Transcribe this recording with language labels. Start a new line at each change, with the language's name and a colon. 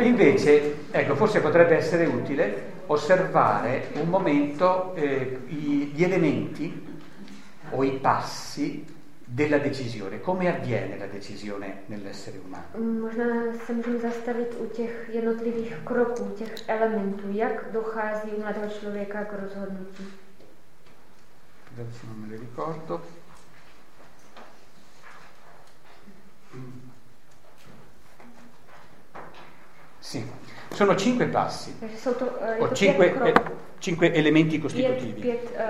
Italian: Invece, ecco, forse potrebbe essere utile osservare un momento gli elementi o i passi della decisione. Come avviene la decisione nell'essere umano?
Czech: Možná se můžeme zastavit u těch jednotlivých kroků, těch elementů, jak dochází u mladého člověka k rozhodnutí.
Italian: Adesso non me le ricordo. Sì, sono cinque passi, o cinque elementi costitutivi.